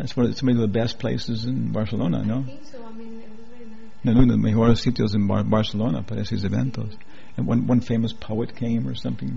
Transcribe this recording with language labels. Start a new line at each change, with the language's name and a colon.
English: it's one of the best places in Barcelona, no? I think so. I mean, it was very nice.
Spanish: Uno de los mejores sitios en Barcelona para esos eventos.
English: And one famous poet came or something.